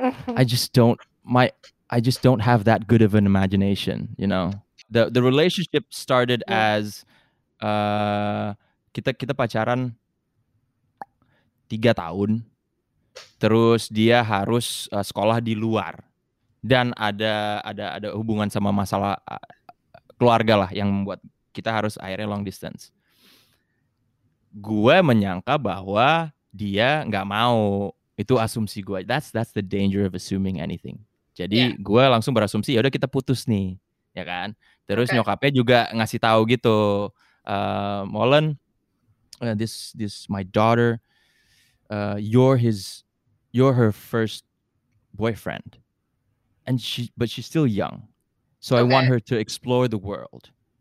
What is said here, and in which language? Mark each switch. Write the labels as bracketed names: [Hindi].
[English] I just don't have that good of an imagination, you know. The relationship started as [Indonesian] kita pacaran 3 tahun. Terus dia harus sekolah di luar. Dan ada hubungan sama masalah keluarga lah yang membuat kita harus akhirnya long distance. Gue menyangka bahwa dia enggak mau. Itu asumsi gue. [English] That's the danger of assuming anything. [Indonesian] Jadi gue langsung berasumsi ya udah kita putus nih, ya kan? Terus nyokapnya juga ngasih tahu gitu, [English] Molen, this my daughter, you're her first boyfriend, but she's still young, so I want her to explore the world.